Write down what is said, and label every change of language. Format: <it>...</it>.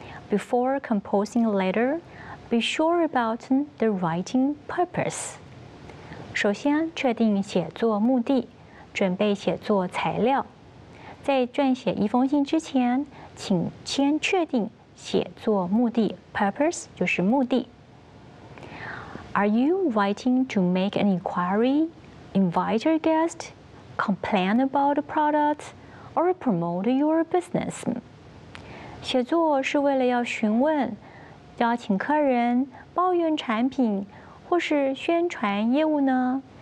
<en>Before composing a letter, be sure about the writing purpose.</en> <zh>首先确定写作目的，准备写作材料。在撰写一封信之前，请先确定写作目的 purpose 就是目的。</zh> <en>Are you writing to make an inquiry, invite a guest, complain about the product, or promote your business?</en> <zh>写作是为了要询问、邀请客人、抱怨产品，或是宣传业务呢？</zh>